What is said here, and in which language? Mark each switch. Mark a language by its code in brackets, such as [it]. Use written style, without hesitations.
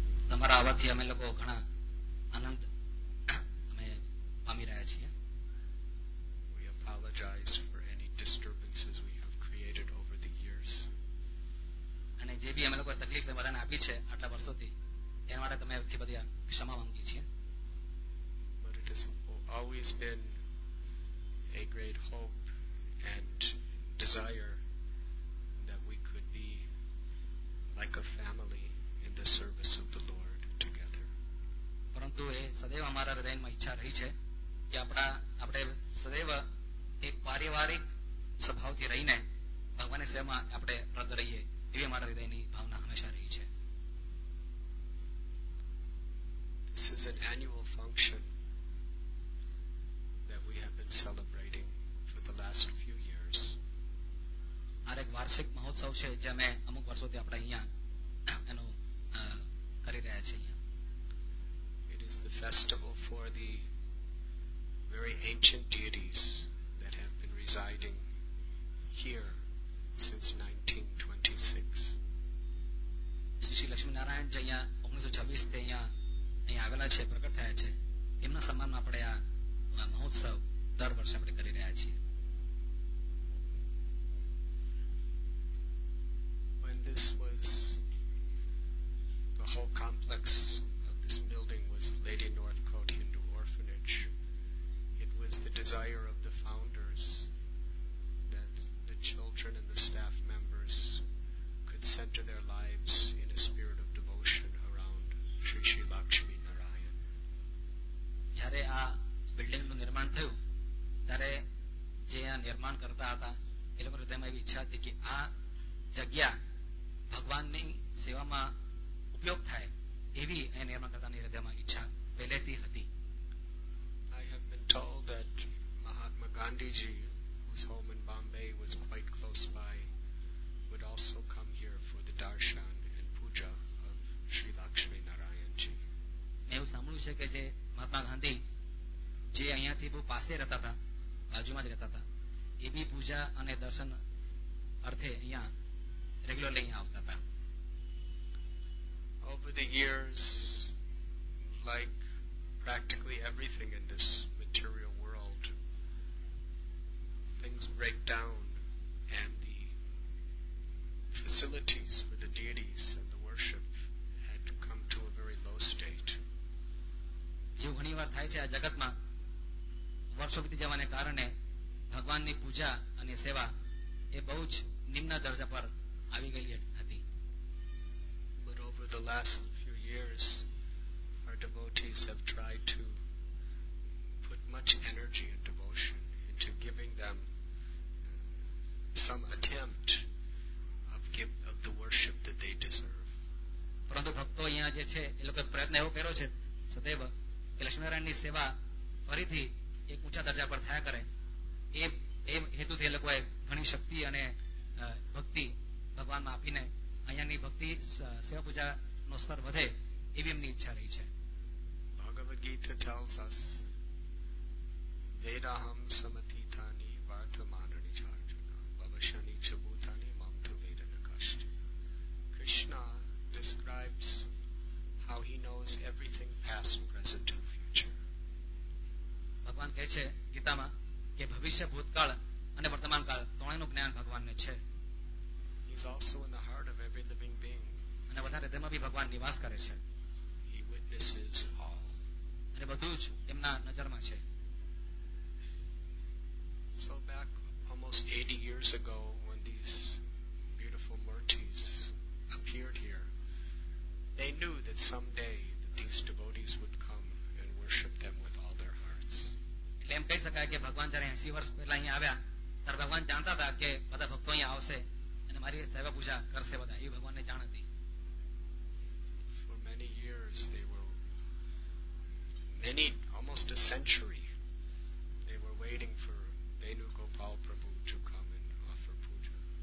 [gu] તમારા આવાથી અમે લોકો ઘણા આનંદ અમે પામી રહ્યા છીએ. [en] We apologize for any disturbances we have created over the years. [gu] અને જે ભી અમે લોકો તકલીફ તમે બધાને આપી છે આટલા વર્ષોથી, એના માટે તમે અમારી બધી ક્ષમા માંગીએ છીએ. [en] But it has always been a great hope and desire that we could be like a family in the service of the Lord together. [gu] પરંતુ એ સદૈવ અમારા હૃદયમાં ઈચ્છા રહી છે કે આપણે સદૈવ એક પારિવારિક સ્વભાવથી રહીને ભગવાનની સેવામાં આપણે રત રહીએ એવી અમારા હૃદયની ભાવના હંમેશા રહી છે. [en] This is an annual function that we have been celebrating for the last few years. [gu] આ એક વાર્ષિક મહોત્સવ છે જે અમે અમુક વર્ષોથી આપણે અહીંયા એનું કરી રહ્યા છીએ. [en] It is the festival for the very ancient deities that have been residing here since 1926. [gu] Shri Laxminarayan જે અહીંયા 1926 થી અહીંયા આવેલા છે, પ્રગટ થયા છે, એમના સન્માનમાં આપણે આ મહોત્સવ દર વર્ષે આપણે કરી રહ્યા છીએ. [en] This was the whole complex of this building was Lady Northcote Hindu Orphanage. It was the desire of the founders that the children and the staff members could center their lives in a spirit of devotion around Sri Sri Lakshmi Narayan. [gu] જ્યારે આ building નું નિર્માણ થયું ત્યારે જે આ નિર્માણ કરતા હતા એ લોકો હૃદયમાં એવી ઈચ્છા હતી કે આ જગ્યા ભગવાનની સેવામાં ઉપયોગ થાય એવી એ નિર્માણકર્તાની હૃદયમાં ઈચ્છા પહેલેથી હતી. [en] I have been told that Mahatma Gandhiji, whose home in Bombay was quite close by, would also come here for the darshan and puja of Sri Lakshmi Narayanji. [gu] મેં એવું સાંભળ્યું છે કે જે મહાત્મા ગાંધી જે અહીંયાથી બહુ પાસે રહેતા હતા, બાજુમાં જ રહેતા હતા, એ બી પૂજા અને દર્શન અર્થે અહીંયા રેગ્યુલરલી આવતા હતા. [en] Over the years like practically everything in this material world things break down and the facilities for the deities and the worship had to come to a very low state. [gu] જે ઘણી વાર થાય છે આ જગતમાં વર્ષો બીતી જવાને કારણે ભગવાનની પૂજા અને સેવા એ બહુ જ નિમ્ન દર્જા પર આવી ગઈ હતી. [en] But over the last few years our devotees have tried to put much energy and devotion into giving them some attempt of the worship that they deserve. [gu] પરંતુ ભક્તો અહીંયા જે છે એ લોકો પ્રયત્ન એવો કર્યો છે સદૈવ કે લક્ષ્મીનારાયણની સેવા ફરીથી એક ઊંચા દરજા પર થયા કરે એ હેતુથી એ લોકોએ ઘણી શક્તિ અને ભક્તિ ભગવાનમાં આપીને અહીંયાની ભક્તિ સેવા પૂજાનો સ્તર વધે એવી એમની ઈચ્છા રહી છે. [sa] ભગવદ ગીતા [en] tells us [sa] વેદાહમ સમતીથાની વર્તમાનિ ચાર્જુના ભવશ્યનિ ચ ભૂતાનિ મમ તુ વેદનકાશ્ચના. [en] Krishna describes how he knows everything past, present and future. [gu] ભગવાન કહે છે ગીતામાં કે ભવિષ્ય ભૂતકાળ અને વર્તમાનકાળ ત્રણેયનું જ્ઞાન ભગવાનને છે. [en] He is also in the heart of every living being. [gu] અને બધા હૃદયમાં ભી ભગવાન નિવાસ કરે છે. [en] He witnesses all. [gu] અને બધું જ એમના નજરમાં છે. [en] So back almost 80 years ago when these beautiful murtis appeared here, they knew that someday that these devotees would come and worship them with all their hearts. [gu] એટલે એમ કહી શકાય કે ભગવાન જ્યારે 80 વર્ષ પહેલા અહીંયા આવ્યા ત્યારે ભગવાન જાણતા હતા કે બધા ભક્તો અહીંયા આવશે મારી સેવા પૂજા કરશે બધા એ ભગવાનને જાણ હતી. [en] For many years they were many almost a century they were waiting for Venugopal Prabhu to come and offer puja.